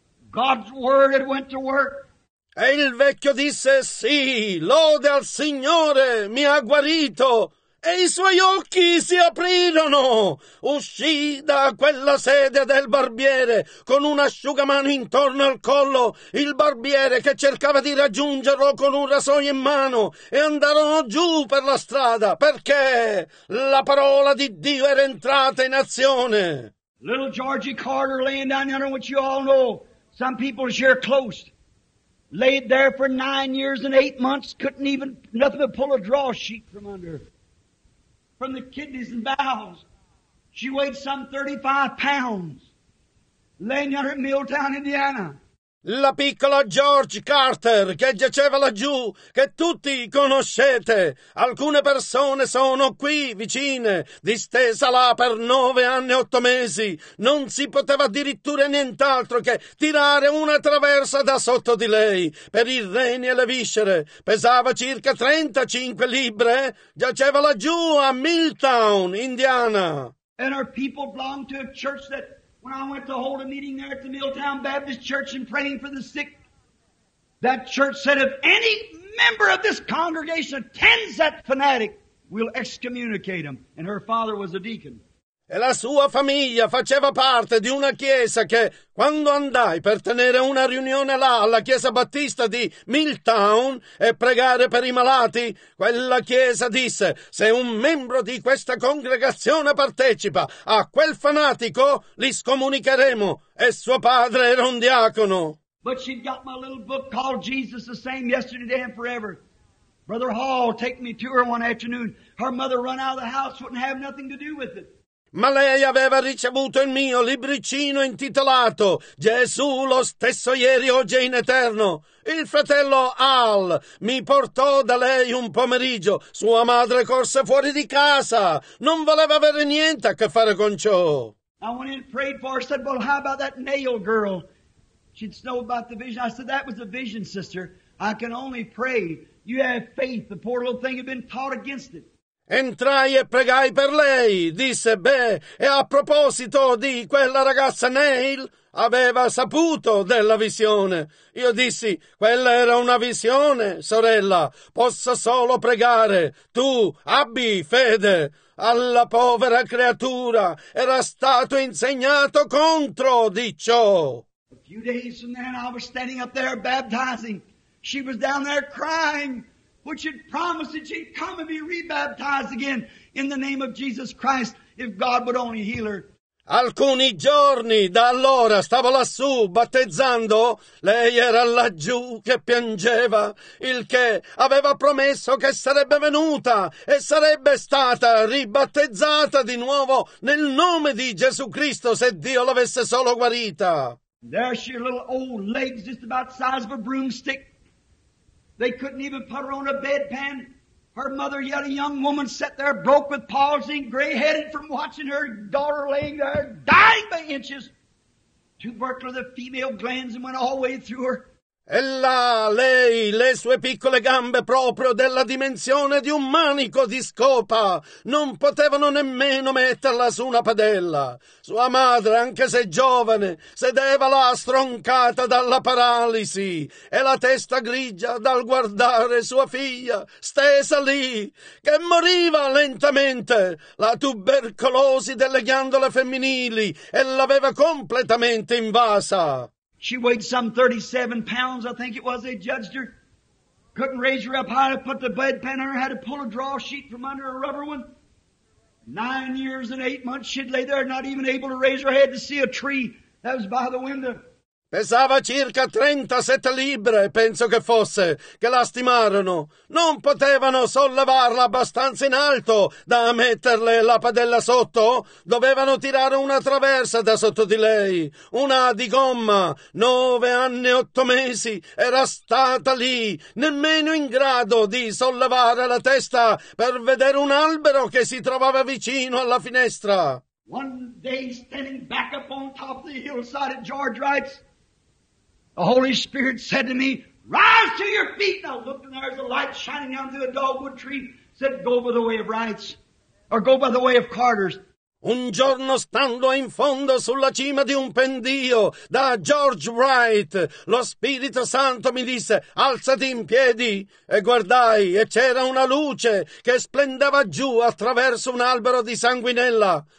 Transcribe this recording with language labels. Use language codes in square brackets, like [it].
[en] God's word had went to work. [it] E il vecchio disse, sì, lode al Signore, mi ha guarito. E i suoi occhi si aprirono. Uscì da quella sedia del barbiere con un asciugamano intorno al collo. Il barbiere che cercava di raggiungerlo con un rasoio in mano e andarono giù per la strada perché la parola di Dio era entrata in azione. [en] Little Georgie Carter laying down, I know what you all know. Some people share close. Laid there for 9 years and 8 months, couldn't even, nothing but pull a draw sheet from under, from the kidneys and bowels. She weighed some 35 pounds, laying under at Milltown, Indiana. [it] La piccola George Carter che giaceva laggiù, che tutti conoscete. Alcune persone sono qui vicine, distesa là per 9 anni e 8 mesi. Non si poteva addirittura nient'altro che tirare una traversa da sotto di lei per i reni e le viscere. Pesava circa 35 libbre. Giaceva laggiù a Milltown, Indiana. [en] And our people belong to a church that... When I went to hold a meeting there at the Milltown Baptist Church and praying for the sick, that church said, if any member of this congregation attends that fanatic, we'll excommunicate him. And her father was a deacon. [it] E la sua famiglia faceva parte di una chiesa che, quando andai per tenere una riunione là alla chiesa battista di Milltown e pregare per i malati, quella chiesa disse, se un membro di questa congregazione partecipa a quel fanatico, li scomunicheremo. E suo padre era un diacono. [en] But she'd got my little book called Jesus the Same Yesterday, Today and Forever. Brother Hall, take me to her one afternoon. Her mother run out of the house, wouldn't have nothing to do with it. [it] Ma lei aveva ricevuto il mio libricino intitolato Gesù lo stesso ieri, oggi e in eterno. Il fratello Al mi portò da lei un pomeriggio. Sua madre corse fuori di casa. Non voleva avere niente a che fare con ciò. [en] I went in and prayed for her. I said, well, how about that nail girl? She'd know about the vision. I said, that was a vision, sister. I can only pray. You have faith. The poor little thing had been taught against it. [it] Entrai e pregai per lei, disse, beh, e a proposito di quella ragazza Neil, aveva saputo della visione. Io dissi, quella era una visione, sorella, posso solo pregare, tu abbi fede. Alla povera creatura era stato insegnato contro di ciò. [en] A few days from then I was standing up there baptizing. She was down there crying. But she'd promised that she'd come and be rebaptized again in the name of Jesus Christ if God would only heal her. [it] Alcuni giorni da allora stavo lassù battezzando, lei era laggiù che piangeva, il che aveva promesso che sarebbe venuta e sarebbe stata ribattezzata di nuovo nel nome di Gesù Cristo se Dio l'avesse solo guarita. [en] There she had little old legs just about the size of a broomstick. They couldn't even put her on a bedpan. Her mother, yet a young woman, sat there, broke with palsy, gray-headed from watching her daughter laying there, dying by inches. Tubercular, the female glands, and went all the way through her. [it] E là, lei, le sue piccole gambe proprio della dimensione di un manico di scopa, non potevano nemmeno metterla su una padella. Sua madre, anche se giovane, sedeva là stroncata dalla paralisi e la testa grigia dal guardare sua figlia, stesa lì, che moriva lentamente. La tubercolosi delle ghiandole femminili e l'aveva completamente invasa. [en] She weighed some 37 pounds, I think it was, they judged her. Couldn't raise her up high, put the bedpan on her, had to pull a draw sheet from under a rubber one. 9 years and 8 months she'd lay there, not even able to raise her head to see a tree that was by the window. [it] Pesava circa 37 libbre, penso che fosse, che la stimarono. Non potevano sollevarla abbastanza in alto da metterle la padella sotto. Dovevano tirare una traversa da sotto di lei, una di gomma. 9 anni e 8 mesi era stata lì, nemmeno in grado di sollevare la testa per vedere un albero che si trovava vicino alla finestra. [en] One day standing back up on top of the hillside at George Wright's, the Holy Spirit said to me, rise to your feet. And I looked and there's a light shining down through a dogwood tree. Said, go by the way of Wright's, or go by the way of Carter's. [it] Un giorno stando in fondo sulla cima di un pendio da George Wright, lo Spirito Santo mi disse, alzati in piedi. E guardai, e c'era una luce che splendeva giù attraverso un albero di sanguinella.